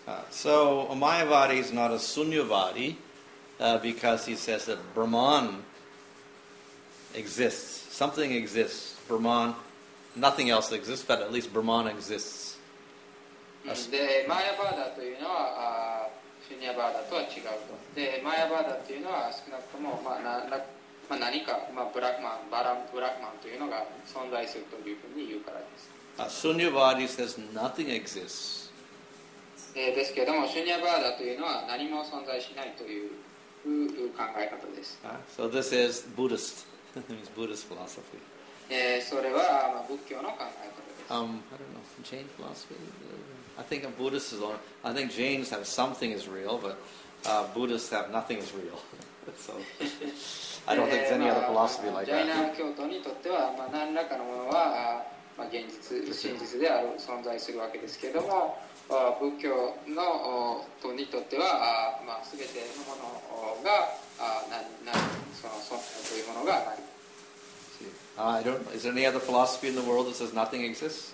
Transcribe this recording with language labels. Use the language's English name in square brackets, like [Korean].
[English] So Mayavadi is not a Sunyavadi because he says that Brahman exists. Something exists. Brahman, nothing else exists, but at least Brahman exists. [Japanese] Mayavada というのは Sunyavada とは違うと。 Mayavada というのは少なくとも、まあなまあ、何か、まあ、ブラックマン、バランブラックマンというのが存在するというふうに言うからです。 [English] Sunyavadi says nothing exists. [Japanese] ですけれども、シュニャバーダというのは何も存在しないという考え方です。 [English] So this is Buddhist. It's Buddhist philosophy. [Japanese] それは、まあ、仏教の考え方です。 [English] I don't know. Jain philosophy? I think Buddhists is on. I think Jains have something is real, but Buddhists have nothing is real. So I don't think there's any other philosophy like that. [Japanese] ジャイナ教徒にとっては、まあ、何らかのものは、まあ、現実、真実である存在するわけですけれども、仏教の人にとっては、まあ、全てのものが存在というものがない。 [English] I don't, is there any other philosophy in the world that says nothing exists?